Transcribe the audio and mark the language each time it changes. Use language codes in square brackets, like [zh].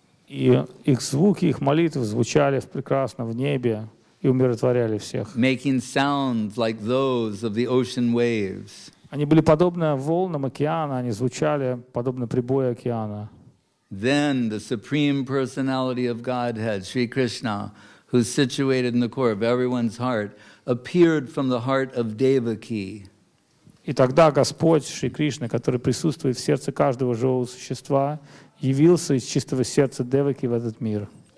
[ru] И их звуки, их молитвы звучали прекрасно в небе и умиротворяли всех. [en] Making sounds like those of the ocean waves. [ru] Они были подобны волнам океана, они звучали подобно прибою океана. [en] Then the Supreme Personality of Godhead, Sri Krishna, who's situated in the core of everyone's heart, appeared from the heart of Devaki. [ru] И тогда Господь Шри Кришна, который присутствует в сердце каждого живого существа, явился из чистого сердца Деваки в этот мир.